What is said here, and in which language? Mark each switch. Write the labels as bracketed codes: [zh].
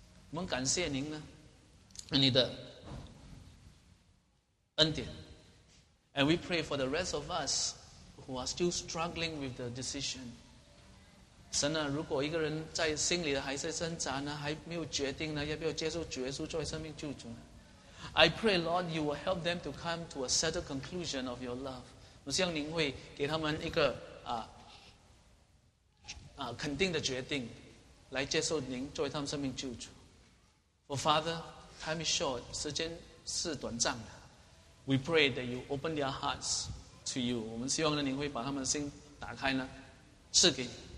[zh] 我们感谢您呢，你的恩典。 [en] And we pray for the rest of us who are still struggling with the decision. [zh] 神啊，如果一个人在心里还在挣扎呢，还没有决定呢，要不要接受主耶稣作为生命救主呢？ [en] I pray, Lord, you will help them to come to a settled conclusion of your love. [zh] 我希望您会给他们一个肯定的决定，来接受您作为他们生命救主。 [en] For Father, time is short, [zh] 时间是短暂的。 [en] We pray that you open their hearts to you. [zh] 我们希望呢，您会把他们的心打开呢，赐给你。